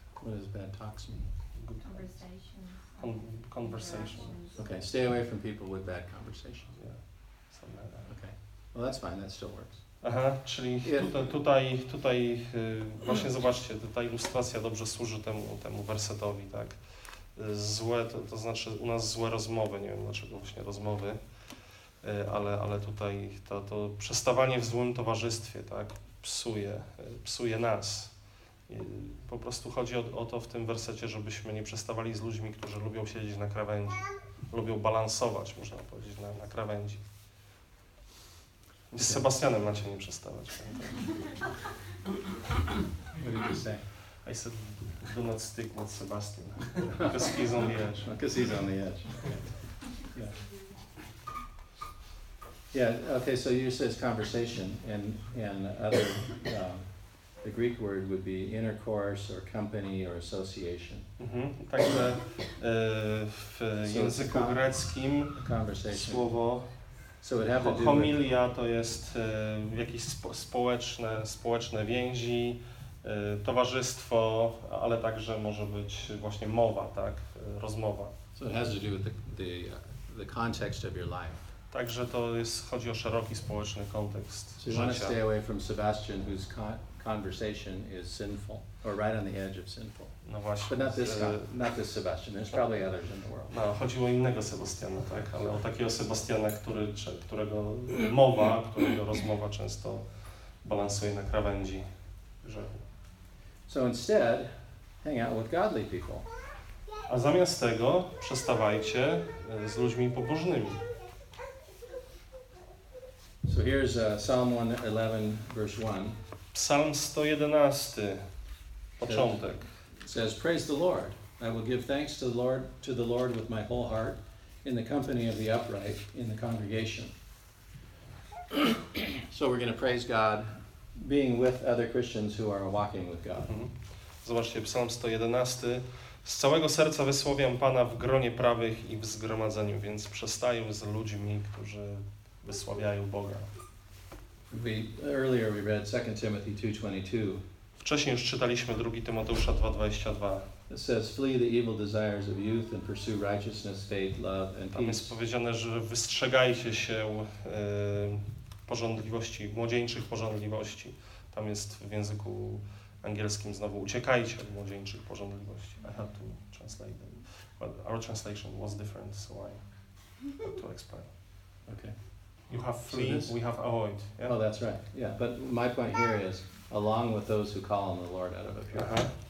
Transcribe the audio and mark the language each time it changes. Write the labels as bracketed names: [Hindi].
[English] What does bad talks mean? Good conversations. Conversations. Okay, stay away from people with bad conversations. Yeah, something like that. Okay, well that's fine, that still works. [Polish] Aha, czyli tutaj właśnie zobaczcie, ta ilustracja dobrze służy temu wersetowi, tak? Złe, to znaczy u nas złe rozmowy, nie wiem dlaczego właśnie rozmowy, ale tutaj to przestawanie w złym towarzystwie, tak? Psuje nas. I po prostu chodzi o to w tym wersecie, żebyśmy nie przestawali z ludźmi, którzy lubią siedzieć na krawędzi, lubią balansować, można powiedzieć, na krawędzi. Z Sebastianem macie nie przestawać. [English] What did you say? I said, do not stick with Sebastian. Because he's on the edge. Because he's on the edge. Yeah. Yeah, okay, so you said conversation. And other, the Greek word would be intercourse or company or association. Mm-hmm. [Polish] Także w języku greckim słowo... [English] So it have to do [Polish] homilia to jest jakieś społeczne więzi, towarzystwo, ale także może być właśnie mowa, tak, rozmowa. [English] So it has to do with the context of your life. [Polish] Także to jest, chodzi o szeroki społeczny kontekst życia. [English] So you want to stay away from Sebastian, whose conversation is sinful, or right on the edge of sinful. [Polish] No właśnie. [English] But not this Sebastian, there's probably others in the world. [Polish] No, chodziło o innego Sebastiana, tak? Ale o takiego Sebastiana, którego mowa, którego rozmowa często balansuje na krawędzi grzechu. [English] So instead, hang out with godly people. [Polish] A zamiast tego, przestawajcie z ludźmi pobożnymi. [English] So here's Psalm 111, verse 1. [Polish] Psalm 111, początek. [English] It says, praise the Lord. I will give thanks to the Lord with my whole heart, in the company of the upright, in the congregation. So we're going to praise God, being with other Christians who are walking with God. [Polish] Zobaczcie, Psalm 111. Z całego serca wysławiam Pana w gronie prawych i w zgromadzeniu, więc przestaję z ludźmi, którzy wysławiają Boga. [English] Earlier we read 2 Timothy 2:22. [Polish] Wcześniej już czytaliśmy 2 Tymoteusza 2:22. [English] It says, flee the evil desires of youth and pursue righteousness, faith, love and peace. [Polish] Tam jest powiedziane, że wystrzegajcie się pożądliwości, młodzieńczych pożądliwości. Tam jest w języku angielskim znowu, uciekajcie od młodzieńczych pożądliwości. [English] I had to translate them. But our translation was different, so I had to explain. Okay. You have flee, so we have avoid. Yeah? Oh, that's right. Yeah, but my point here is, along with those who call on the Lord out of a pure heart.